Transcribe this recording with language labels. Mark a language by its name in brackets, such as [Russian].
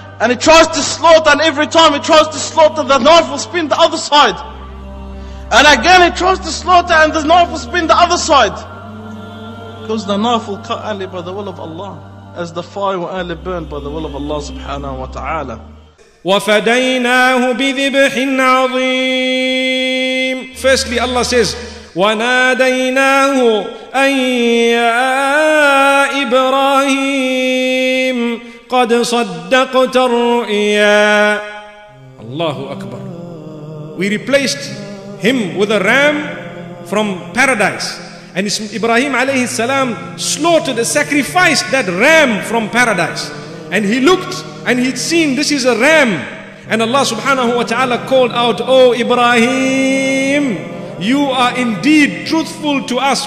[English] And he tries to slaughter, and every time he tries to slaughter, the knife will spin the other side. And again he tries to slaughter, and the knife will spin the other side. Because the knife will cut only by the will of Allah, as the fire will only burn by the will of Allah subhanahu wa ta'ala. [Arabic] وَفَدَيْنَاهُ بِذِبْحٍ عَظِيمٍ. Firstly, Allah says, وَنَادَيْنَاهُ أَنْ يَا إِبْرَاهِيمُ قَدْ صَدَّقْتَ الرُّؤْيَا. Allahu Akbar. [English] We replaced him with a ram from paradise. And Ibrahim alayhi salam slaughtered, sacrificed that ram from paradise. And he looked and he'd seen this is a ram. And Allah subhanahu wa ta'ala called out, "Oh Ibrahim, you are indeed truthful to us.